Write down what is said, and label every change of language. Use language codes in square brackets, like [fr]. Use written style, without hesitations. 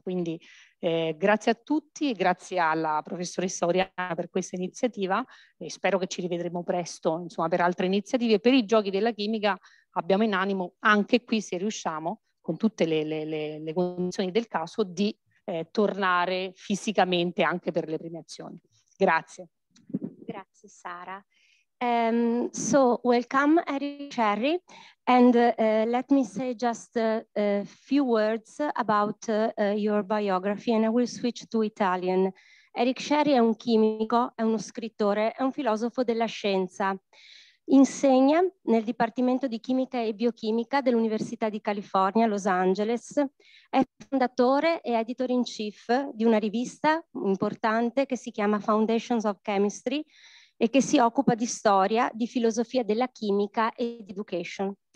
[it] Quindi grazie a tutti, grazie alla professoressa Oriana per questa iniziativa, e spero che ci rivedremo presto, insomma, per altre iniziative. Per i giochi della chimica abbiamo in animo anche qui, se riusciamo, con tutte le condizioni del caso, di tornare fisicamente anche per le premiazioni. Grazie. Grazie Sara. [en] So welcome [it] Eric Scerri, [en] and let me say just a few words about your biography, and I will switch to Italian. [it] Eric Scerri è un chimico, è uno scrittore, è un filosofo della scienza. Insegna nel Dipartimento di Chimica e Biochimica dell'Università di California, Los Angeles. È fondatore e editor in chief di una rivista importante che si chiama Foundations of Chemistry e che si occupa di storia, di filosofia della chimica e di education.